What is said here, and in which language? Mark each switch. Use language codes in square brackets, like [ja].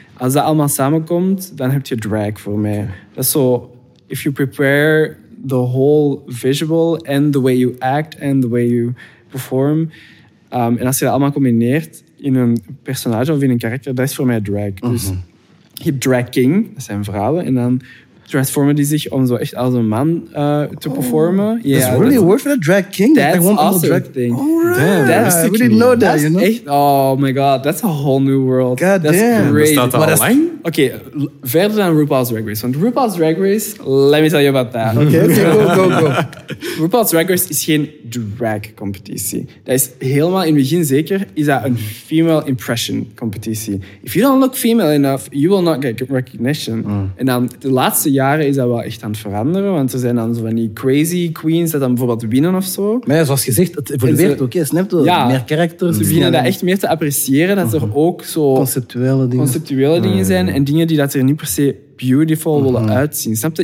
[nl] Als dat allemaal samenkomt, dan heb je drag voor mij. Okay. Dat is zo, [en] if you prepare the whole visual and the way you act and the way you perform. [nl] En als je dat allemaal combineert in een personage of in een karakter, dat is voor mij drag. Uh-huh. Dus je hebt drag king, dat zijn vrouwen, en dan transformen die zich om zo echt als een man te performen. [en] Oh, yeah, that's really a word for that, drag king? That's like also a drag thing. That's I really know that, you know? Echt, oh my god, that's a whole new world. God that's damn. [nl] Great. Bestaat dat online? Oké, verder dan RuPaul's Drag Race. [en] Want RuPaul's Drag Race, let me tell you about that. Okay, go. [nl] RuPaul's Drag Race is geen drag competitie. Dat is helemaal in het begin zeker, is dat een female impression competitie. [en] If you don't look female enough, you will not get recognition. Mm. [nl] En dan de laatste jaren is dat wel echt aan het veranderen, want er zijn dan zo van die crazy queens dat dan bijvoorbeeld winnen of zo. Maar ja, zoals gezegd, het evolueert ook. Snap je? Ja, meer characters. Ze beginnen dat echt meer te appreciëren, dat er ook zo conceptuele dingen zijn. En dingen die dat er niet per se beautiful willen uitzien. Snap je?